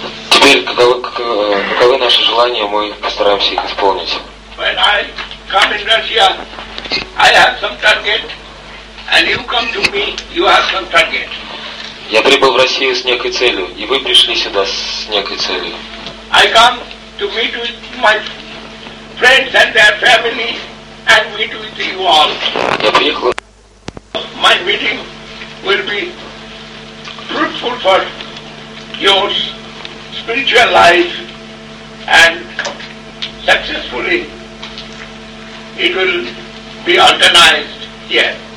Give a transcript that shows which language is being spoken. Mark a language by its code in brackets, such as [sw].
[ru] Теперь, каковы наши желания, мы постараемся их исполнить. [en] When I come in Russia, I have some target, and you come to me, you have some target. [ru] Я прибыл в Россию с некой целью, и вы пришли сюда с некой целью. [en] I come to meet with my friends and their family and meet with you all. [ru] Я приехал. [en] My meeting will be fruitful for your spiritual life and successfully it will be organized here.